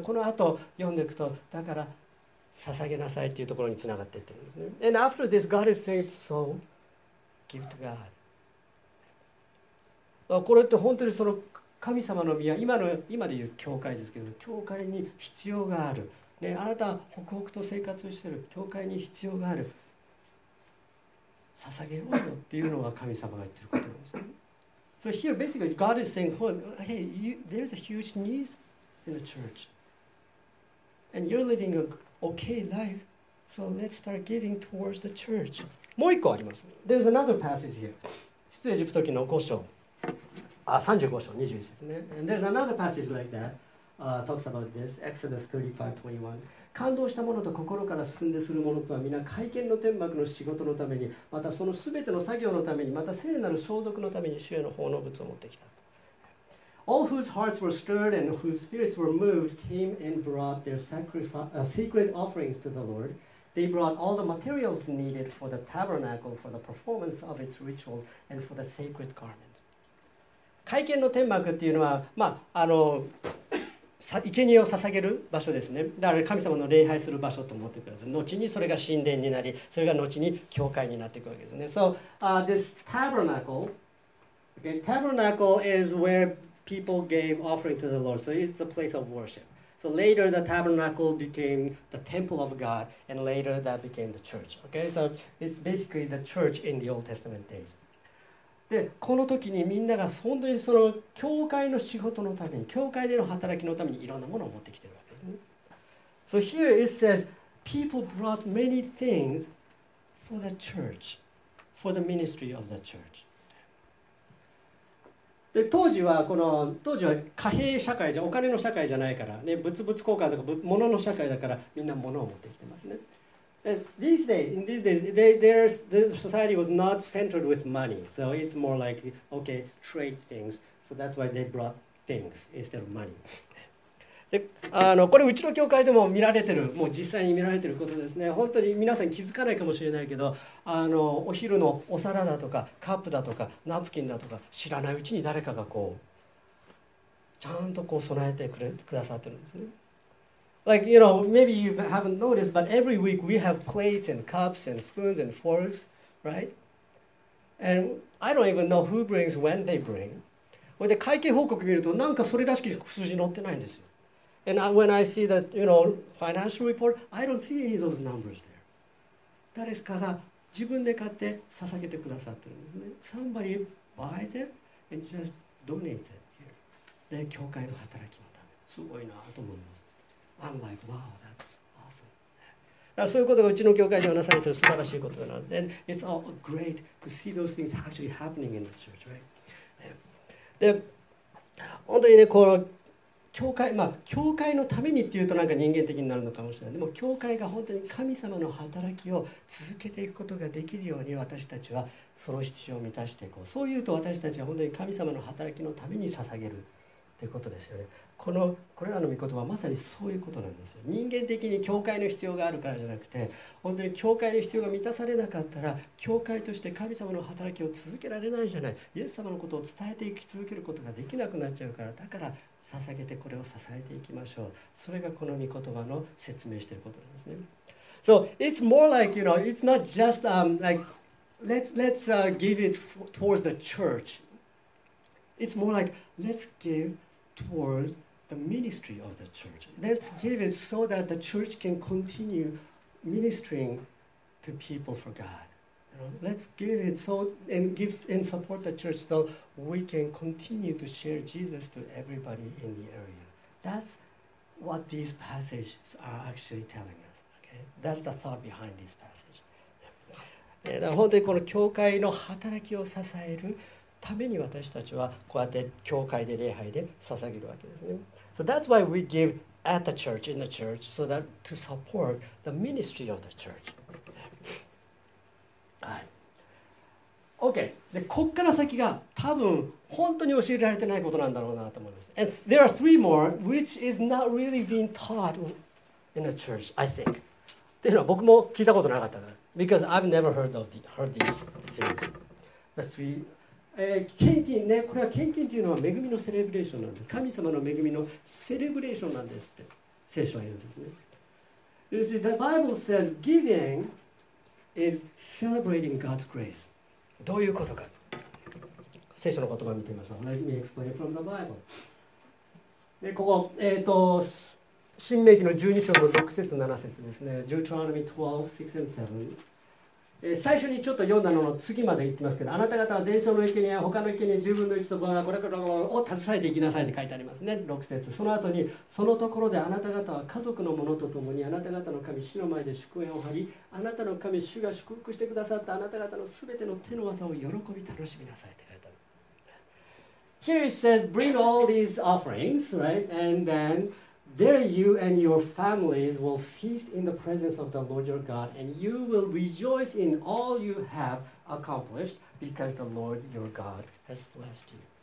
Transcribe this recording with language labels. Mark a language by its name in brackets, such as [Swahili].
[Japanese] この後読んでいくと、だから捧げなさいっていうところにつながっていってるんですね。 [English] And after this, God is saying, so give to God. [Japanese] これって本当にその神様の宮、今で言う教会ですけど、教会に必要がある、ね、あなたは北北と生活をしている教会に必要がある、捧げようよっていうのが神様が言ってることなんですね。 [English] So here basically God is saying, hey, there's a huge need in the church and you're living an okay life, so let's start giving towards the church. [Japanese] もう一個あります。 [English] There's another passage here. [Japanese] 出エジプト記の5章35章21節ね。 [English] And there's another passage like that talks about this. Exodus 35:21. [Japanese] 感動したものと心から進んでするものとは皆会見の天幕の仕事のためにまたその全ての作業のためにまた聖なる消毒のために主への奉納物を持ってきた。 [English] All whose hearts were stirred and whose spirits were moved came and brought their secret offerings to the Lord. They brought all the materials needed for the tabernacle, for the performance of its rituals, and for the sacred garments. [Japanese] 会見の天幕っていうのは、まあ、生贄を捧げる場所ですね。だから神様の礼拝する場所と思ってください。後にそれが神殿になり、それが後に教会になっていくわけですね。 [English] So, this tabernacle, okay, tabernacle is where people gave offering to the Lord. So it's a place of worship. So later the tabernacle became the temple of God, and later that became the church. Okay, so it's basically the church in the Old Testament days. [Japanese] でこの時にみんなが本当にその教会の仕事のために教会での働きのためにいろんなものを持ってきてるわけですね。 [English] So here it says people brought many things for the church, for the ministry of the church. [Japanese] で当時はこの当時は貨幣社会じゃお金の社会じゃないからね、物々交換とか物の社会だからみんな物を持ってきてますね。 [English] These days, in these days, the society was not centered with money. So it's more like, okay, trade things. So that's why they brought things instead of money. [Japanese] これうちの教会でも見られてる、もう実際に見られてることですね。本当に皆さん気づかないかもしれないけど、お昼のお皿だとか、カップだとか、ナプキンだとか、知らないうちに誰かがこう、ちゃんとこう備えてくださってるんですね。 [English] Like, you know, maybe you haven't noticed, but every week we have plates and cups and spoons and forks, right? And I don't even know who brings when they bring. [Japanese] これで会計報告見ると、なんかそれらしき数字載ってないんですよ。 [English] And when I see that, you know, financial report, I don't see any of those numbers there. [Japanese] 誰かが自分で買って捧げてくださってるんですね。 [English] Somebody buys it and just donates it here. [Japanese] で、教会の働きのため。すごいなと思います。 [English] I'm like, wow, that's awesome. [Japanese] だそういうことがうちの教会ではなされている素晴らしいことだな。 [English] And it's all great to see those things actually happening in the church, right? [Japanese] で、本当にね、この教会、まあ教会のためにっていうとなんか人間的になるのかもしれない。でも教会が本当に神様の働きを続けていくことができるように私たちはその必要を満たしていこう。そういうと私たちは本当に神様の働きのために捧げるということですよね。これらの御言葉はまさにそういうことなんですよ。人間的に教会の必要があるからじゃなくて、本当に教会の必要が満たされなかったら教会として神様の働きを続けられないじゃない。イエス様のことを伝えていき続けることができなくなっちゃうから、だから捧げてこれを支えていきましょう。それがこの御言葉の説明していることなんですね。 [English] So it's more like, you know, it's not just like let's give it towards the church. It's more like let's givetowards the ministry of the church. Let's give it so that the church can continue ministering to people for God. You know, let's give it so and give and support the church so we can continue to share Jesus to everybody in the area. That's what these passages are actually telling us. Okay, that's the thought behind this passage. [Japanese] 本当にこの教会の働きを支えるために私たちはこうやって教会で礼拝で捧げるわけですね。 [English] So that's why we give at the church, in the church, so that to support the ministry of the church. はい。Okay. [Japanese] で、こっから先が多分本当に教えられてないことなんだろうなと思います。 [English] And there are three more which is not really being taught in the church, I think. [Japanese] っていうのは僕も聞いたことなかったから。 [English] Because I've never heard these three. The three... [Japanese] 献金ね、これは献金というのは恵みのセレブレーションなんです。神様の恵みのセレブレーションなんですって聖書は言うんですね。 [English] You see, the Bible says giving is celebrating God's grace. [Japanese] どういうことか聖書の言葉を見てみましょう。 [English] Let me explain from the Bible. [Japanese] でここ、新命記の12章の6節7節ですね。 [English] Deuteronomy 12, 6 and 7 [Japanese] 最初にちょっと読んだのの次まで言ってますけど、あなた方は全焼の生贄や他の生贄10分の1とバラバラバラを携えていきなさいって書いてありますね。 6節その後にそのところであなた方は家族のものとともにあなた方の神主の前で祝宴を張り、あなたの神主が祝福してくださったあなた方のすべての手の技を喜び楽しみなさいって書いてある。 [English] Here it says bring all these offerings, right? And then There you and your families will feast in the presence of the Lord your God, and you will rejoice in all you have accomplished, because the Lord your God has blessed you.